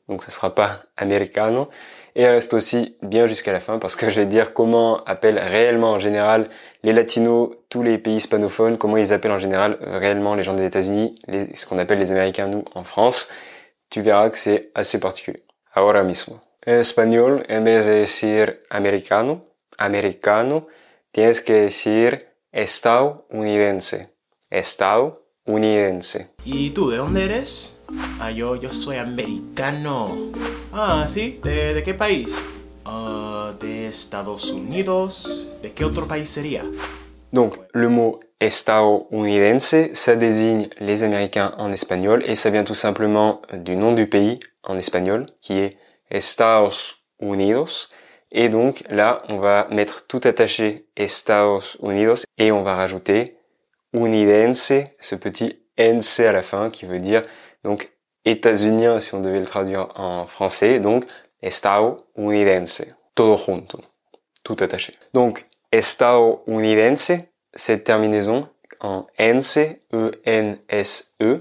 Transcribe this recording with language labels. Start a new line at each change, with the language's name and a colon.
French: Donc, ce sera pas americano. Et reste aussi bien jusqu'à la fin parce que je vais te dire comment appellent réellement en général les Latinos, tous les pays hispanophones, comment ils appellent en général réellement les gens des États-Unis, ce qu'on appelle les Américains, nous, en France. Tu verras que c'est assez particulier.
Spanish: Ahora mismo. En español, en vez de decir americano, americano, tienes que decir estadounidense. Estadounidense. ¿Y tú de dónde eres? Ah, yo soy americano. Ah, sí, ¿de qué país? De Estados Unidos. ¿De qué otro país sería?
French: Donc, le mot estadounidense, ça désigne les Américains en espagnol et ça vient tout simplement du nom du pays en espagnol qui est Estados Unidos. Et donc là, on va mettre tout attaché Estados Unidos et on va rajouter unidense, ce petit nc à la fin qui veut dire donc états-unien si on devait le traduire en français. Donc, estadounidense,
Spanish: todo junto,
French: tout attaché. Donc, estadounidense. Cette terminaison en NCE, ENSE.